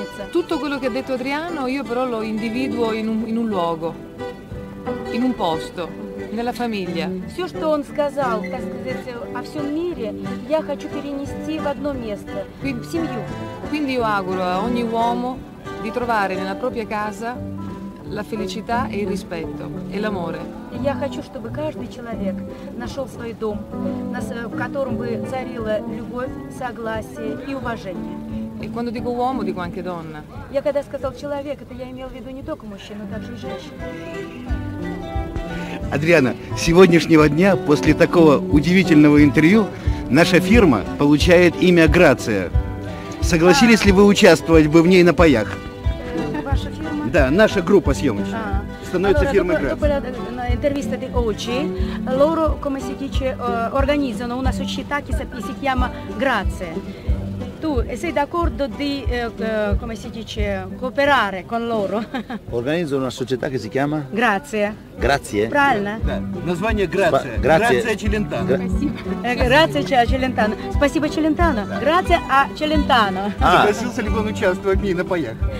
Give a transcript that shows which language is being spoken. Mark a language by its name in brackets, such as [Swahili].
[Italian] tutto quello che ha detto Adriano io però lo individuo in un luogo, in un posto, nella famiglia. [Russian] Все что он сказал, так сказать, о всем мире, я хочу перенести в одно место, в семью. [Italian] Quindi io auguro a ogni uomo di trovare nella propria casa la felicità e il rispetto e l'amore. [Russian] Я хочу, чтобы каждый человек нашел свой дом, в котором бы царила любовь, согласие и уважение. [Italian] E quando dico uomo, dico anche donna. [Russian] Я когда сказал человек, это я имел в виду не только мужчину, но также и женщину. Адриана, с сегодняшнего дня, после такого удивительного интервью, наша фирма получает имя Грация. Согласились ли вы участвовать бы в ней на паях? Ваша фирма? Да, наша группа съемочная. Становится фирмой Грация. [Italian] Intervista di oggi, loro come si dice organizzano una società che si chiama Grazie. Tu sei d'accordo di come si dice cooperare con loro? Organizzano una società che si chiama? Grazie. Grazie? [Russian] Правильно? Название Grazie. [Italian] Grazie Celentano. Grazie Celentano. [Russian] Спасибо Celentano. [Italian] Grazie a Celentano. [Russian] Согласился ли он участвовать в ней на паях?